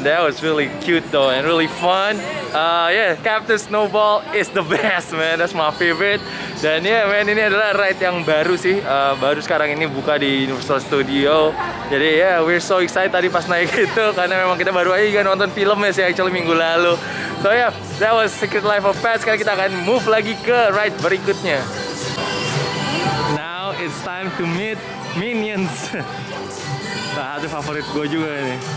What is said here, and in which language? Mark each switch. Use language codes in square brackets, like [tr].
[en] That was really cute though and really fun. Yeah, Captain Snowball is the best, man. That's my favorite. [id] Dan yeah, man, ini adalah ride yang baru sih. Baru sekarang ini buka di Universal Studio. Jadi yeah, [en] we're so excited [id] tadi pas naik itu karena memang kita baru aja nonton filmnya sih actually minggu lalu. [en] So yeah, that was Secret Life of Pets. [id] Sekarang kita akan move lagi ke ride berikutnya. [en] Now it's time to meet Minions. [id] Nah, itu favorit gue juga ini.